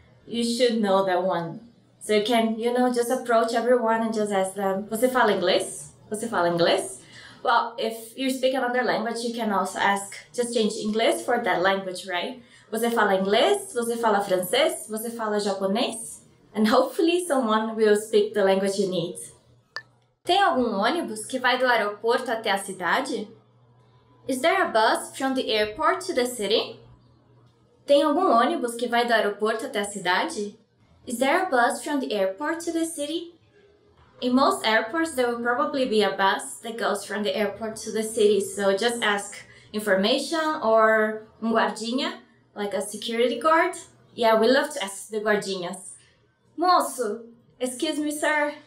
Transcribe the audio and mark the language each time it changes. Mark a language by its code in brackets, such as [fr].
[en] You should know that one. So you can, you know, just approach everyone and just ask them, [pt] você fala inglês? Você fala inglês? [en] Well, if you speak another language, you can also ask, just change English for that language, right? [pt] Você fala inglês? Você fala francês? Você fala japonês? [en] And hopefully someone will speak the language you need. [pt] Tem algum ônibus que vai do aeroporto até a cidade? [en] Is there a bus from the airport to the city? [pt] Tem algum ônibus que vai do aeroporto até a cidade? [en] Is there a bus from the airport to the city? In most airports, there will probably be a bus that goes from the airport to the city, so just ask information or guardinha, like a security guard. Yeah, we love to ask the guardinhas. Moço! Excuse me, sir.